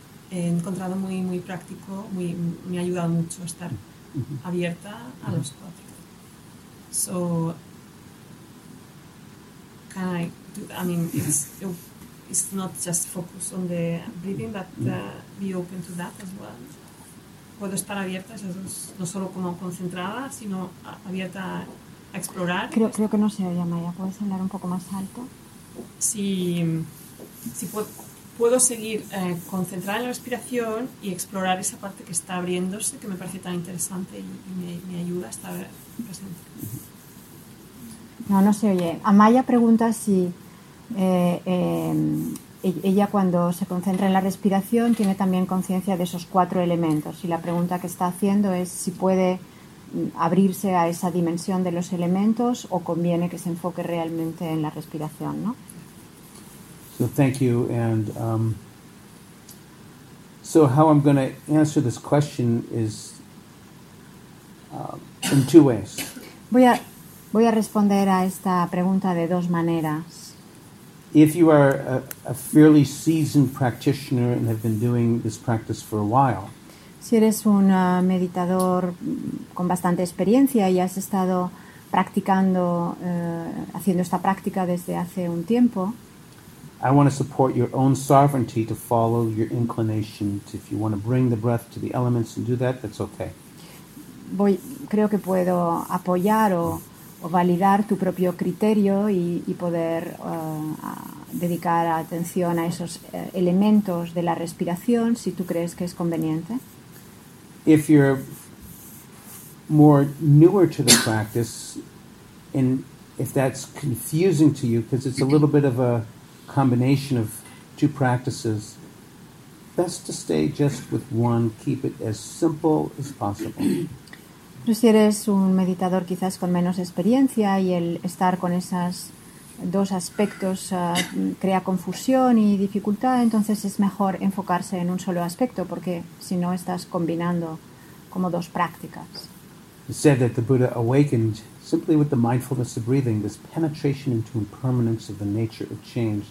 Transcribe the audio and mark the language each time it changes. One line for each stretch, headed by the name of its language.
Spanish: He encontrado muy muy práctico, muy me ha ayudado mucho estar abierta a los cuatro.
English: So, can I do that? I mean, it's not just focus on the breathing, but be open to that as well.
Spanish: Puedo estar abierta, no solo como concentrada, sino abierta a explorar. Creo que no se oye, Maya. ¿Puedes hablar un poco más alto? Si puedo seguir concentrada en la respiración y explorar esa parte que está abriéndose, que me parece tan interesante y me ayuda a estar presente. No, no se oye. Amaya pregunta si ella cuando se concentra en la respiración tiene también conciencia de esos cuatro elementos. Y la pregunta que está haciendo es si puede abrirse a esa dimensión de los elementos o conviene que se enfoque realmente en la respiración, ¿no?
English: So thank you. And so how I'm going to answer this question is in two ways.
Spanish: Voy a responder a esta pregunta de dos maneras.
English: If you are a fairly seasoned practitioner and have been doing this practice for a while.
Spanish: Si eres un meditador con bastante experiencia y has estado practicando haciendo esta práctica desde hace un tiempo.
English: I want to support your own sovereignty to follow your inclination. If you want to bring the breath to the elements and do that, that's okay.
Spanish: Creo que puedo apoyar o validar tu propio criterio y poder dedicar atención a esos elementos de la respiración si tú crees que es conveniente.
English: If you're more newer to the practice, and if that's confusing to you because it's a little bit of a combination of two practices, best to stay just with one, keep it as simple as possible.
Spanish: Pero si eres un meditador quizás con menos experiencia y el estar con esas dos aspectos crea confusión y dificultad, entonces es mejor enfocarse en un solo aspecto porque si no estás combinando como dos prácticas.
English: It said that the Buddha awakened simply with the mindfulness of breathing, this penetration into impermanence of the nature of change.